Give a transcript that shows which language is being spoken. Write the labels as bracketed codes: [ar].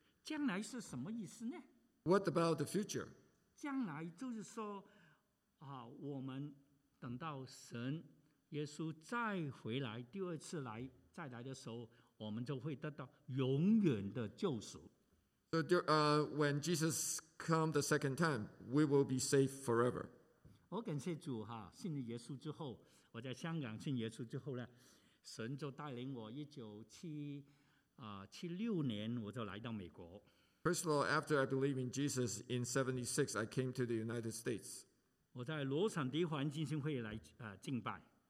[zh] 将来是什么意思呢？ [en] What about the future? [zh] 将来就是说，我们等到神耶稣再回来，第二次来，再来的时候，我们就会得到永远的救赎。 [en] So, when Jesus comes the second time, we will be safe forever. [zh] 我感谢主哈，信了耶稣之后，我在香港信耶稣之后呢，神就带领我1976年我就来到美国。 [en] First of all, after I believed in Jesus in 76, I came to the United States. [zh] 我在罗山迪环进行会来敬拜。